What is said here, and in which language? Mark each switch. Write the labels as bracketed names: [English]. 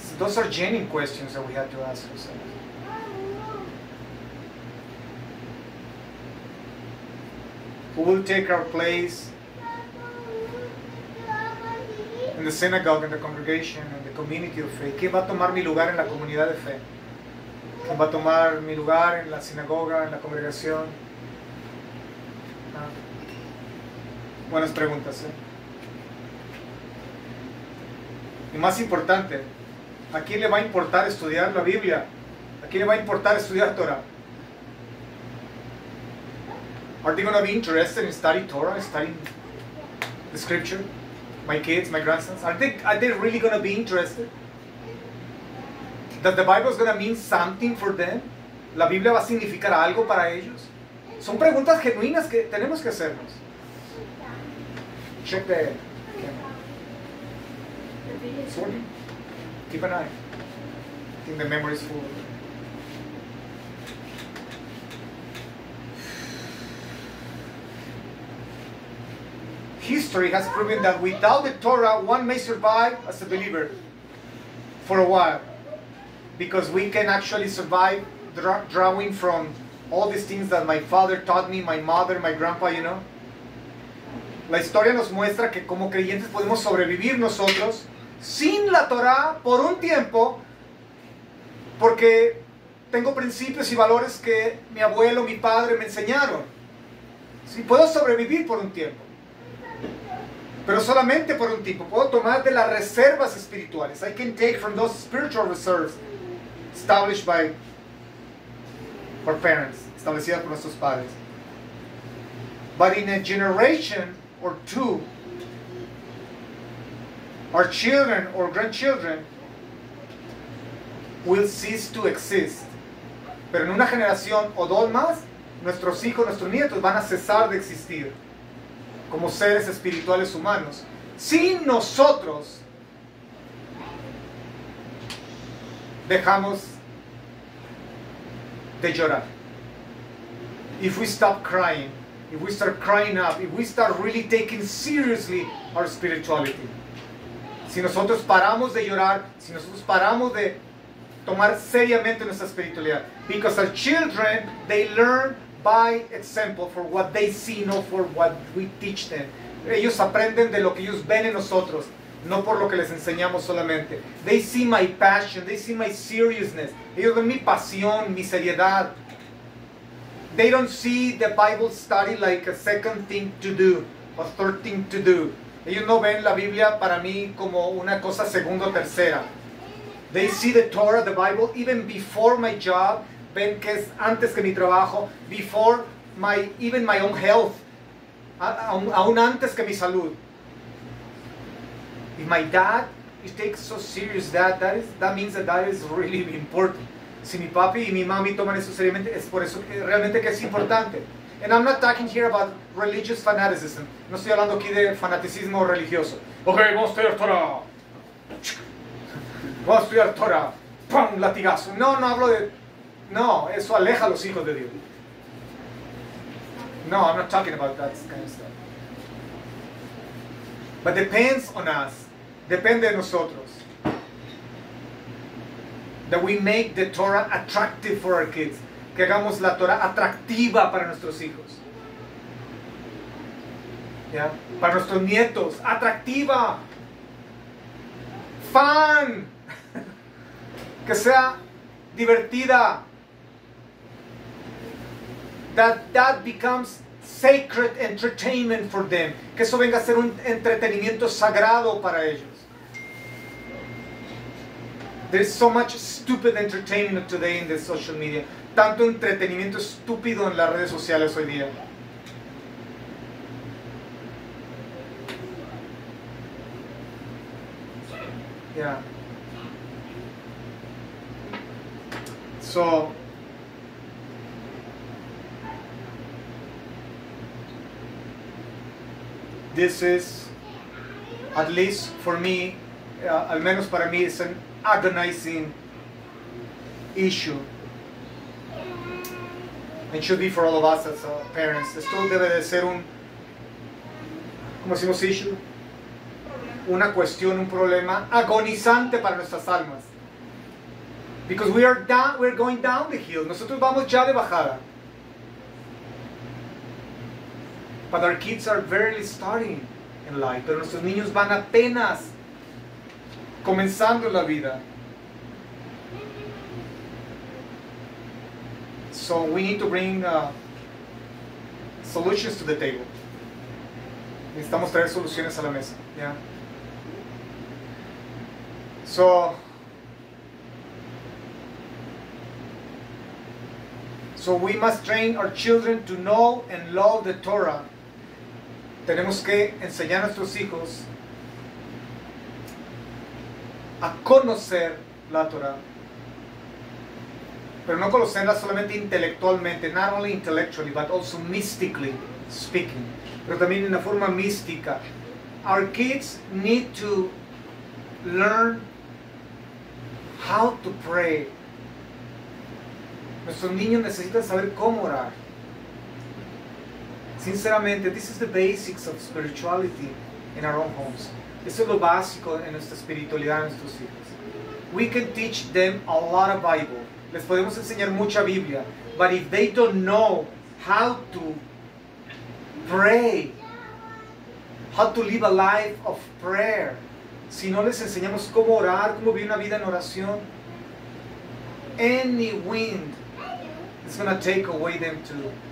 [English] So those are genuine questions that we have to ask ourselves. Who will take our place in the synagogue, in the congregation, in the community of faith? [Spanish] ¿Quién va a tomar mi lugar en la comunidad de fe? ¿Quién va a tomar mi lugar en la sinagoga, en la congregación? Ah. Buenas preguntas, ¿eh? Y más importante, ¿a quién le va a importar estudiar la Biblia? ¿A quién le va a importar estudiar Torah? [English] ¿Are they going to be interested in studying Torah, studying the scripture? My kids, my grandsons, are they really going to be interested? That the Bible is going to mean something for them? [Spanish] ¿La Biblia va a significar algo para ellos? Son preguntas genuinas que tenemos que hacernos. [English] Check the camera. Sorry. Keep an eye. I think the memory is full. History has proven that without the Torah, one may survive as a believer for a while, because we can actually survive drawing from all these things that my father taught me, my mother, my grandpa, you know. [Spanish] La historia nos muestra que como creyentes podemos sobrevivir nosotros sin la Torah por un tiempo, porque tengo principios y valores que mi abuelo, mi padre me enseñaron. Sí, puedo sobrevivir por un tiempo. Pero solamente por un tiempo. Puedo tomar de las reservas espirituales. [English] I can take from those spiritual reserves established by our parents, [Spanish] establecidas por nuestros padres. [English] But in a generation or two, our children or grandchildren will cease to exist. [Spanish] Pero en una generación o dos más, nuestros hijos, nuestros nietos van a cesar de existir como seres espirituales humanos, sin nosotros dejamos de llorar. [English] If we stop crying, if we start crying up, if we start really taking seriously our spirituality, [Spanish] si nosotros paramos de llorar, si nosotros paramos de tomar seriamente nuestra espiritualidad, [English] because our children, they learn by example, for what they see, not for what we teach them. [Spanish] Ellos aprenden de lo que ellos ven en nosotros, no por lo que les enseñamos solamente. [English] They see my passion, they see my seriousness. [Spanish] Ellos ven mi pasión, mi seriedad. [English] They don't see the Bible study like a second thing to do, a third thing to do. [Spanish] Ellos no ven la Biblia para mí como una cosa segunda o tercera. [English] They see the Torah, the Bible, even before my job. [Spanish] Ven que es antes que mi trabajo, [English] before my, even my own health, [Spanish] aún antes que mi salud. [English] If my dad, he takes so serious that means that is really important. [Spanish] Si mi papi y mi mami toman eso seriamente, es por eso que realmente que es importante. [English] And I'm not talking here about religious fanaticism. [Spanish] No estoy hablando aquí de fanaticismo religioso. Ok, vamos a estudiar Torah. Vamos a estudiar Torah. ¡Pum! Latigazo. No hablo de... No, eso aleja a los hijos de Dios. [English] No, I'm not talking about that kind of stuff. But depends on us. [Spanish] Depende de nosotros. [English] That we make the Torah attractive for our kids. [Spanish] Que hagamos la Torah atractiva para nuestros hijos. Yeah? Para nuestros nietos. Atractiva. [English] Fun. [Spanish] Que sea divertida. [English] That becomes sacred entertainment for them. [Spanish] Que eso venga a ser un entretenimiento sagrado para ellos. [English] There's so much stupid entertainment today in the social media. [Spanish] Tanto entretenimiento estúpido en las redes sociales hoy día. Yeah. [English] So, this is, at least for me, [Spanish] al menos para mí, [English] it's an agonizing issue. And should be for all of us as parents. [Spanish] Esto debe de ser un, ¿cómo decimos issue? Una cuestión, un problema agonizante para nuestras almas. [English] Because we are down, we're going down the hill. [Spanish] Nosotros vamos ya de bajada. [English] But our kids are barely starting in life. [Spanish] Pero nuestros niños van apenas comenzando la vida. [English] So we need to bring solutions to the table. [Spanish] Necesitamos traer soluciones a la mesa. Yeah. [English] So, we must train our children to know and love the Torah. [Spanish] Tenemos que enseñar a nuestros hijos a conocer la Torah. Pero no conocerla solamente intelectualmente, [English] not only intellectually, but also mystically speaking. [Spanish] Pero también en una forma mística. [English] Our kids need to learn how to pray. [Spanish] Nuestros niños necesitan saber cómo orar. Sinceramente, [English] this is the basics of spirituality in our own homes. [Spanish] Esto es lo básico en nuestra espiritualidad, en nuestros hijos. [English] We can teach them a lot of Bible. [Spanish] Les podemos enseñar mucha Biblia. [English] But if they don't know how to pray, how to live a life of prayer, [Spanish] si no les enseñamos cómo orar, cómo vivir una vida en oración, [English] any wind is going to take away them too.